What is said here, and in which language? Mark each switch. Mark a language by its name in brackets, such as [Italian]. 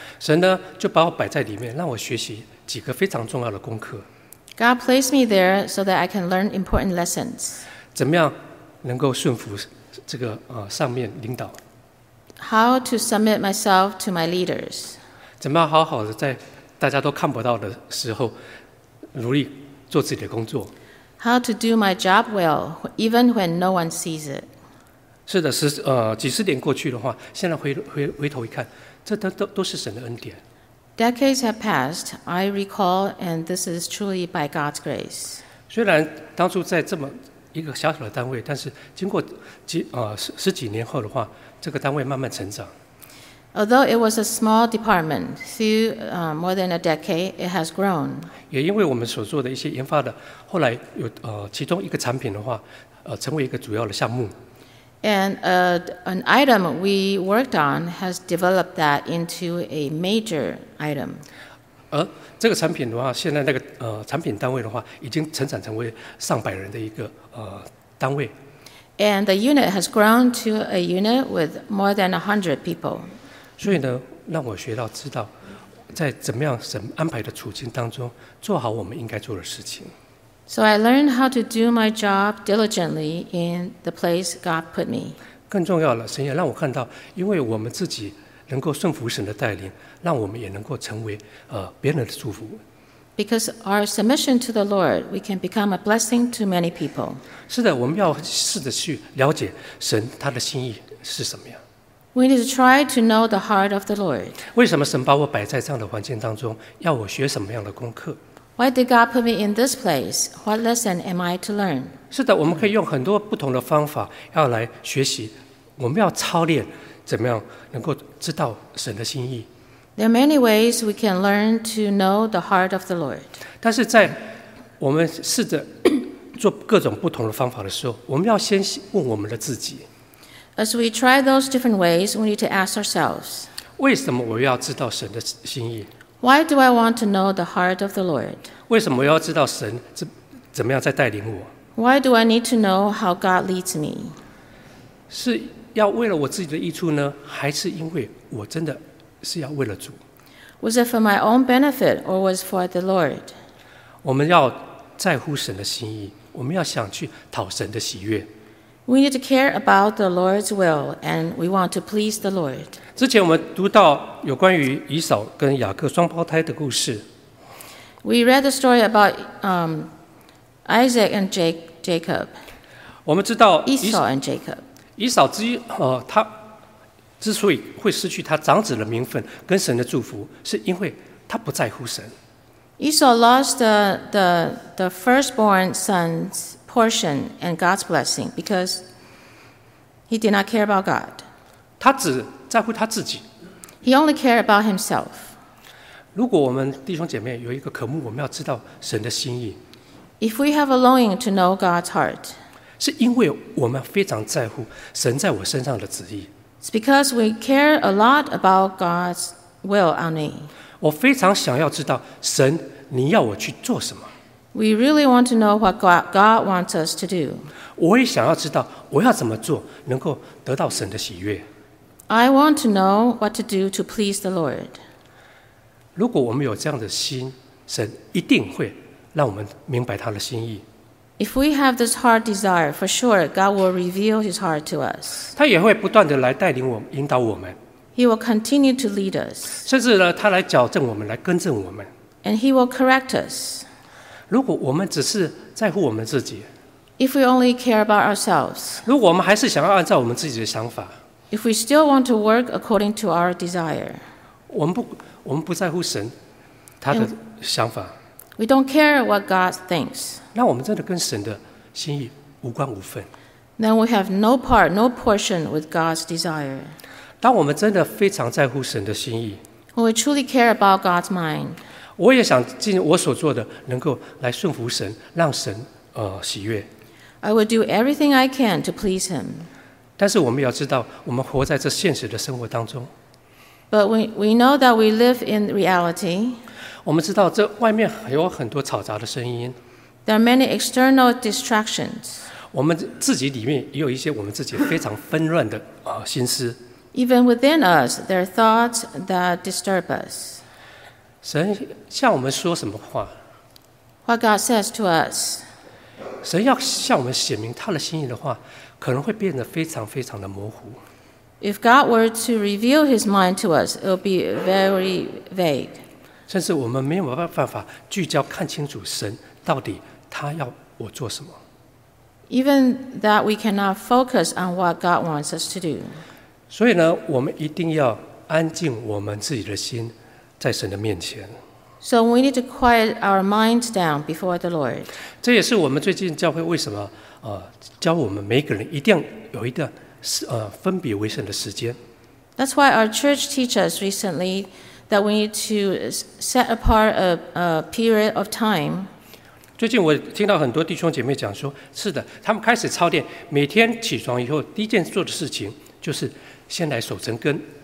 [Chinese] 神呢就把我摆在里面，让我学习几个非常重要的功课。 [English] God placed me there so that I can learn important lessons. [Chinese] 怎么样能够顺服这个上面领导 [English] ？How to submit myself to my leaders? [Chinese] 怎么样好好的在大家都看不到的时候努力做自己的工作 [English] ？How to do my job well even when no one sees it? [Chinese] 是的，几十年过去的话，现在回头一看，这都是神的恩典。 [English] Decades have passed. I recall, and this is truly by God's grace. [Chinese] 虽然当初在这么一个小小的单位，但是经过十几年后的话，这个单位慢慢成长。 [English] Although it was a small department, through more than a decade, it has grown. [Chinese] 也因为我们所做的一些研发的，后来有其中一个产品的话，成为一个主要的项目。 [English] And an item we worked on has developed that into a major item. [Chinese] 这个产品的话，现在那个产品单位的话，已经成长成为上百人的一个单位。 [English] And the unit has grown to a unit with more than 100 people. [Chinese] 所以呢，让我学到知道，在怎么样神安排的处境当中，做好我们应该做的事情。 [English] So I learned how to do my job diligently in the place God put me. [Chinese] 更重要了，神也让我看到，因为我们自己能够顺服神的带领，让我们也能够成为别人的祝福。 [English] Because our submission to the Lord, we can become a blessing to many people. [Chinese] 是的，我们要试着去了解神他的心意是什么样。 [English] We need to try to know the heart of the Lord. [Chinese] 为什么神把我摆在这样的环境当中，要我学什么样的功课？ [English] Why did God put me in this place? What lesson am I to learn? [Chinese] 是的，我们可以用很多不同的方法要来学习。我们要操练，怎么样能够知道神的心意。 [English] There are many ways we can learn to know the heart of the Lord. [Chinese] 但是在我们试着做各种不同的方法的时候，我们要先问我们的自己。 [English] As we try those different ways, we need to ask ourselves. [Chinese] 为什么我要知道神的心意？ [English] Why do I want to know the heart of the Lord? [Chinese] 为什么要知道神怎么样在带领我？ [English] Why do I need to know how God leads me? [Chinese] 是要为了我自己的益处呢，还是因为我真的是要为了主？ [English] Was it for my own benefit or was it for the Lord? [Chinese] 我们要在乎神的心意，我们要想去讨神的喜悦。 [English] We need to care about the Lord's will, and we want to please the Lord. [Chinese] 之前我们读到有关于以扫跟雅各双胞胎的故事。 [English] We read the story about Isaac and Jacob. [Chinese] 我们知道 [English] Esau and Jacob. [Chinese] 以扫之一，他之所以会失去他长子的名分跟神的祝福，是因为他不在乎神。 [English] Esau lost the firstborn son's portion and God's blessing because he did not care about God. [Chinese] 他只在乎他自己。 [English] He only cared about himself. [Chinese] 如果我们弟兄姐妹有一个渴慕，我们要知道神的心意。 [English] If we have a longing to know God's heart, [Chinese] 是因为我们非常在乎神在我身上的旨意。 [English] It's because we care a lot about God's will on me. [Chinese] 我非常想要知道神你要我去做什么。 [English] We really want to know what God wants us to do. [Chinese] 我也想要知道我要怎么做能够得到神的喜悦。 [English] I want to know what to do to please the Lord. [Chinese] 如果我们有这样的心，神一定会让我们明白他的心意。 [English] If we have this heart desire, for sure, God will reveal His heart to us. [Chinese] 他也会不断地来带领我们，引导我们。 [English] He will continue to lead us. [Chinese] 甚至呢，他来矫正我们，来更正我们。 [English] And He will correct us. [Chinese] 如果我们只是在乎我们自己， [English] If we only care about ourselves. [Chinese] 如果我们还是想要按照我们自己的想法， [English] If we still want to work according to our desire. [Chinese] 我们不在乎神他的想法。 [English] We don't care what God thinks. [Chinese] 那我们真的跟神的心意无关无分。 [English] Then we have no part, no portion with God's desire. [Chinese] 当我们真的非常在乎神的心意， [English] We truly care about God's mind. [Chinese] 我也想尽我所做的能够来顺服神，让神喜悦。 [English] I will do everything I can to please Him. [Chinese] 但是我们要知道，我们活在这现实的生活当中。 [English] But we know that we live in reality. [Chinese] 我们知道这外面有很多吵杂的声音。 [English] There are many external distractions. [Chinese] 我们自己里面也有一些我们自己非常纷乱的心思。 [English] Even within us, there are thoughts that disturb us. [Chinese] 神向我们说什么话？ [English] What God says to us. [Chinese] 神要向我们显明他的心意的话，可能会变得非常非常的模糊。 [English] If God were to reveal His mind to us, it would be very vague. [Chinese] 甚至我们没有办法聚焦看清楚神到底他要我做什么。 [English] Even that we cannot focus on what God wants us to do. [Chinese] 所以呢，我们一定要安静我们自己的心在神的面前。 [English] So we need to quiet our minds down before the Lord. [Chinese] 这也是我们最近教会为什么教我们每一个人一定要有一段分别为圣的时间。 [English] That's why our church teach us recently that we need to set apart a period of time. [Chinese] 最近我听到很多弟兄姐妹讲说，是的，他们开始操练，每天起床以后第一件做的事情就是先来守晨更。